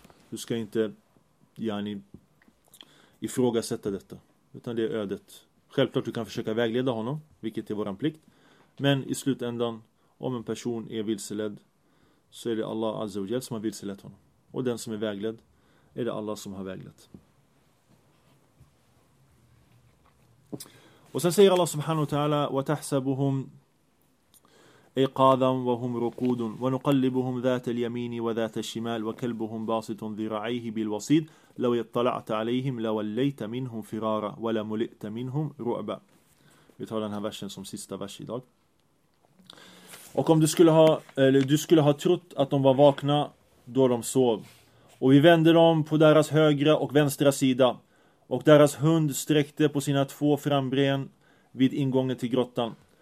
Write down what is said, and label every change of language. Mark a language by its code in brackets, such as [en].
[sv] Du ska inte yani, ifrågasätta detta. Utan det är ödet. Självklart du kan försöka vägleda honom, vilket är våran plikt. Men i slutändan, om en person är vilseledd så är det Allah azza wa jalla som har vilselett honom. Och den som är vägledd är det Allah som har väglett. Och sen säger [ar] Allah subhanahu wa ta'ala وَتَحْسَبُهُمْ إِقَاذًا وَهُمْ رُقُودٌ وَنُقَلِّبُهُمْ ذَاتَ الْيَمِينِ وَذَاتَ الشِّمَالِ وَكَلْبُهُمْ بَاسِطٌ ذِرَعَيْهِ بِالْوَصِيدِ لَوْ يَطَّلَعْتَ عَلَيْهِمْ لَوَلَّيْتَ مِنْهُمْ فِرَارًا وَلَمُلِئْتَ مِنْهُمْ رُعْبًا. [sv] Vi tar den här versen som sista vers idag. Och om du skulle ha, eller du skulle ha trott att de var vakna då de sov, och vi vände dem på deras högra och vänstra sida, och deras hund sträckte på sina två frambren vid ingången till grottan.